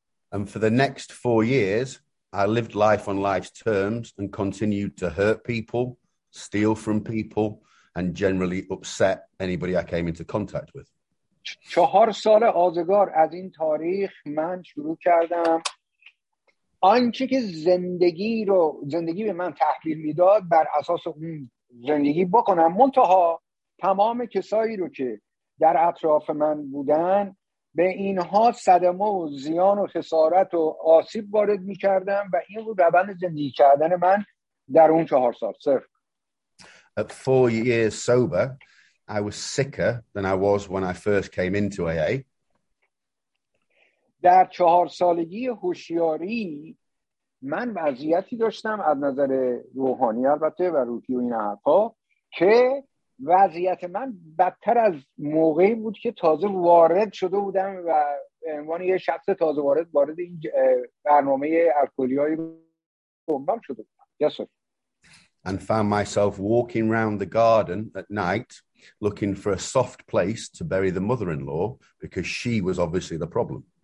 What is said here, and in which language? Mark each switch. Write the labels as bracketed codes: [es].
[en] And for the next 4 years I lived life on life's terms and continued to hurt people, steal from people and generally upset anybody I came into contact with. [fa] 4 سال آزگار از این تاریخ من شروع کردم آنچه که زندگی رو زندگی به من تحویل میداد بر اساس اون زندگی بکنم، منتها تمام کسایی رو که در اطراف من بودن به اینها صدمه و زیان و خسارت و آسیب وارد می‌کردم و این رو روند زندگی کردن من در اون 4 سال صرف. [en] At 4 years sober, I was sicker than I was when I first came into AA. [fa] در 4 سالگی هوشیاری من وضعیتی داشتم از نظر روحانی البته و روحی و این حرفا که وضعیت من بدتر از موقعی بود که تازه وارد شده بودم و به عنوان یه شخص تازه وارد وارد این برنامه الکلی‌های بمبم شده بودم. [en] Yes, sir. And found myself walking round the garden at night looking for a soft place to bury the mother-in-law because she was obviously the problem.